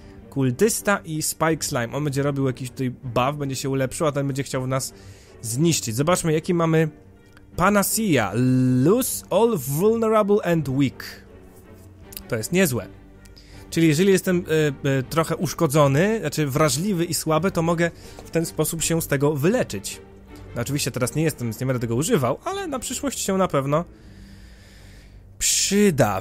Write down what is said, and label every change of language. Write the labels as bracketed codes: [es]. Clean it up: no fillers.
[pl] Kultysta i Spike Slime. On będzie robił jakiś tutaj buff, będzie się ulepszył, a ten będzie chciał nas zniszczyć. Zobaczmy, jaki mamy Panacea. [en] Lose all vulnerable and weak. [pl] To jest niezłe. Czyli jeżeli jestem trochę uszkodzony, znaczy wrażliwy i słaby, to mogę w ten sposób się z tego wyleczyć. No oczywiście teraz nie jestem, więc nie będę tego używał, ale na przyszłość się na pewno przyda.